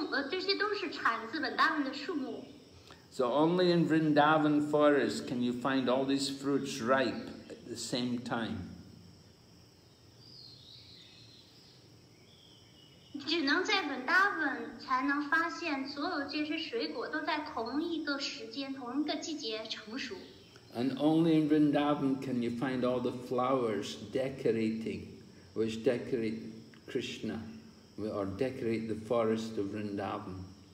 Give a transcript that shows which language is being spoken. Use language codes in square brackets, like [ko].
[zh] 这些都是产自本大文的树木。 [en] So only in Vrindavan forest can you find all these fruits ripe at the same time. [zh] 只能在本大文才能发现所有这些水果都在同一个时间、同一个季节成熟。 [en] And only in Vrindavan can you find all the flowers decorating, which decorate Krishna. Or decorate the forest of Vrindavan.